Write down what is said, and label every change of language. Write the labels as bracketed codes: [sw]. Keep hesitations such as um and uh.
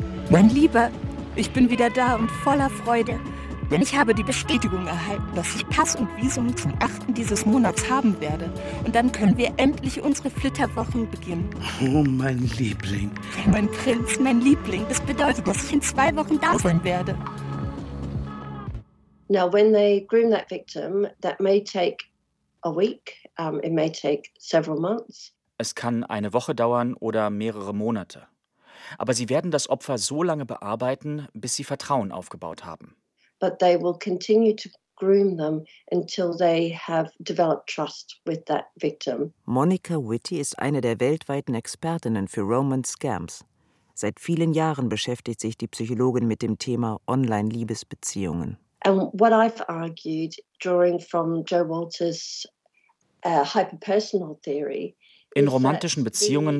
[de] Mein Lieber, ich bin wieder da und voller Freude ich habe die Bestätigung erhalten, dass ich Pass und Visum zum 8. dieses Monats haben werde. Und dann können wir endlich unsere Flitterwochen beginnen. Oh, mein Liebling. Mein Prinz, mein Liebling. Das bedeutet, dass ich in zwei Wochen da sein werde. [en] Now, when they groom that victim, that may take a week. it may take several months. [de] Es kann eine Woche dauern oder mehrere Monate. Aber sie werden das Opfer so lange bearbeiten, bis sie Vertrauen aufgebaut haben. [en] but they will continue to groom them until they have developed trust with that victim. [de] Monica Witty ist eine der weltweiten Expertinnen für Roman Scams. Seit vielen Jahren beschäftigt sich die Psychologin mit dem Thema Online Liebesbeziehungen. [en] And what I've argued drawing from Joe Walters' uh, hyperpersonal theory [de] In romantischen Beziehungen